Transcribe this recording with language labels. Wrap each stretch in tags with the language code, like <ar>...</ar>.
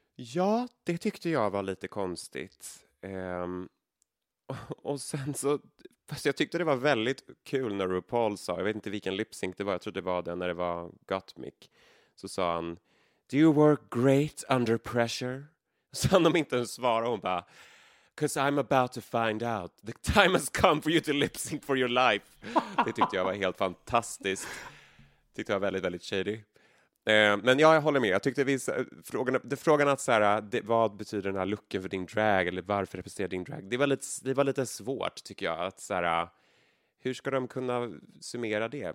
<sv>Ja, det tyckte jag var lite konstigt. Och sen så, fast jag tyckte det var väldigt kul när RuPaul sa, jag vet inte vilken lip-sync det var, jag trodde det var den när det var Gottmik, så sa han:</sv> <en>do you work great under pressure?</en> <sv>Så han om inte ens svarade, hon bara:</sv> <en>because I'm about to find out. The time has come for you to lip-sync for your life.</en> <sv>Det tyckte jag var helt fantastiskt. Tyckte jag var väldigt, väldigt shady. Men ja, jag håller med. Jag tyckte vissa, frågan att så här, det, vad betyder den här looken för din drag? Eller varför representerar din drag? Det var lite svårt, tycker jag. Att så här, hur ska de kunna summera det?</sv>